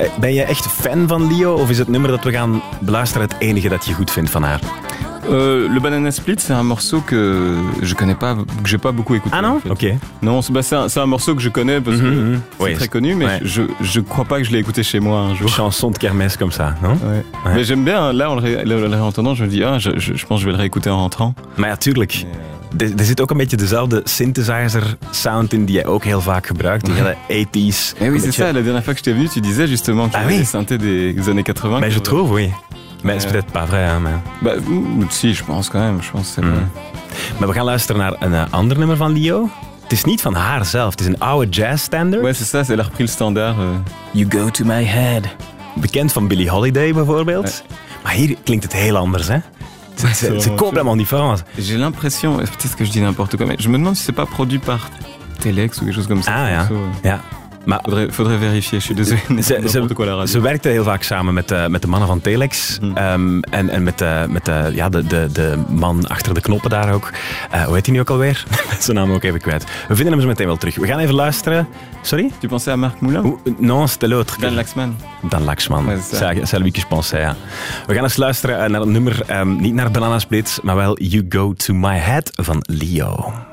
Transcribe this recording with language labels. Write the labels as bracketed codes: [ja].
[nl] Ben je echt fan van Lio of is het nummer dat we gaan beluisteren het enige dat je goed vindt van haar? [fr] Le Banana Split, c'est un morceau que je connais pas, que j'ai pas beaucoup écouté. Ah non? En fait. Ok. Non, c'est un morceau que je connais parce que c'est très connu, mais je crois pas que je l'ai écouté chez moi un jour. Chanson de kermesse comme ça, non? Ouais. Ouais. Mais j'aime bien, là, en le réentendant, je me dis, je pense que je vais le réécouter en rentrant. [nl] Maar ja, tuurlijk. Er zit ook een beetje dezelfde synthesizer-sound in die jij ook heel vaak gebruikt. Die hele 80s. [fr] Mais oui, c'est ça. La dernière fois que je t'ai venu, tu disais justement que c'était des synthés des années 80. Mais je trouve, oui. Mais c'est peut-être pas vrai, hein, mais... Bah, si, je pense quand même. Je pense c'est vrai. [nl] Mais we gaan luisteren naar een ander nummer van Lio. Het is niet van haar zelf. Het is een oude jazz standard. [fr] Ouais, c'est ça. Elle a repris le standard. [en] You go to my head. [nl] Bekend van Billie Holiday, bijvoorbeeld. [fr] Ouais. [nl] Maar hier klinkt het heel anders, hè? [fr] C'est complètement différent. J'ai l'impression, peut-être que je dis n'importe quoi, mais je me demande si c'est pas produit par Telex ou quelque chose comme ça. [nl] Ah, ja. Ja. [fr] Maar faudrait vérifier, je suis désolé. [nl] Ze werkte heel vaak samen met de mannen van Telex. En met de man achter de knoppen daar ook. Hoe heet hij nu ook alweer? Zijn naam ook even kwijt. We vinden hem zo meteen wel terug. We gaan even luisteren. Sorry? [fr] Tu pensais à Marc Moulin? Non, c'était l'autre. Dan Laxman. Dan Laxman. Ouais, c'est lui que je pensais, ja. [nl] We gaan eens luisteren naar het nummer, niet naar Banana Split, maar wel You Go To My Head van Lio.